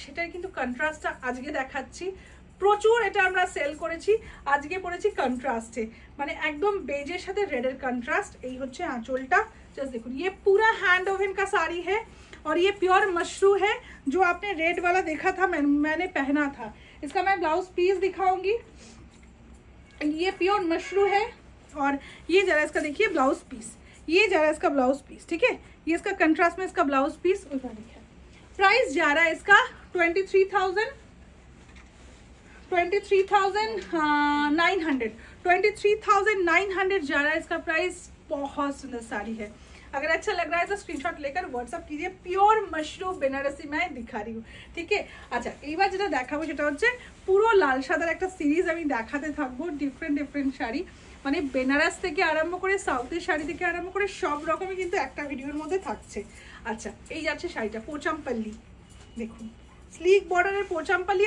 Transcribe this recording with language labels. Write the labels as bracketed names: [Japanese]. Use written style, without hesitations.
[Bangla] সেটার কিন্তু কন্ট্রাস্টটা আজকে দেখাচ্ছি, প্রচুর এটা আমরা সেল করেছি। আজকে পড়েছি কন্ট্রাস্টে, মানে একদম বেজের সাথে রেডের কন্ট্রাস্ট। এই হচ্ছে আঁচলটা, জাস্ট দেখুন, [Hindi] ইয়ে পুরা হ্যান্ড ওভেন কা শাড়ি হ্যায় আর ইয়ে পিওর মাশরু হ্যায় জো আপনে রেড ওয়ালা দেখা থা মানে পেহনা থা। इसका मैं ब्लाउज पीस दिखाऊंगी। ये प्योर मशरू है और ये जरा इसका देखिए ब्लाउज पीस, ये जरा इसका ब्लाउज पीस, ठीक है। ये इसका कंट्रास्ट में इसका ब्लाउज पीस उधर देखिए। प्राइस जा रहा है इसका 23,900 जा रहा है इसका प्राइस। बहुत सुंदर साड़ी है, अगर अच्छा लग रहा है तो स्क्रीनशॉट लेकर व्हाट्सअप कीजिए। प्योर मशरू बेनारसी मैं दिखा रही हूँ, ठीक है। [Bangla] अच्छा, এই বার যেটা দেখাবো সেটা হচ্ছে পুরো লাল সাদার একটা সিরিজ আমি দেখাতে থাকবো, ডিফারেন্ট ডিফারেন্ট শাড়ি, মানে বেনারস থেকে আরম্ভ করে সাউথের শাড়ি থেকে আরম্ভ করে সব রকমই কিন্তু একটা ভিডিওর মধ্যে থাকছে। আচ্ছা, এই যাচ্ছে শাড়িটা, পোচামপল্লি দেখুন, স্লিক বর্ডারের পোচামপালি।